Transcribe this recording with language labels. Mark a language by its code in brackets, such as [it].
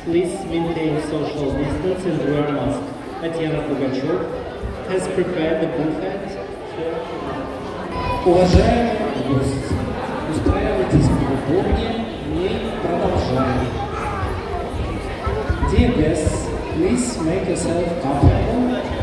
[en] Please maintain social distance and wear a mask. Татьяна Пугачёв has prepared the buffet for... [ru] Уважаемые гости, устраивайтесь поудобнее, мы продолжаем. [en] Dear guests, please make yourself comfortable.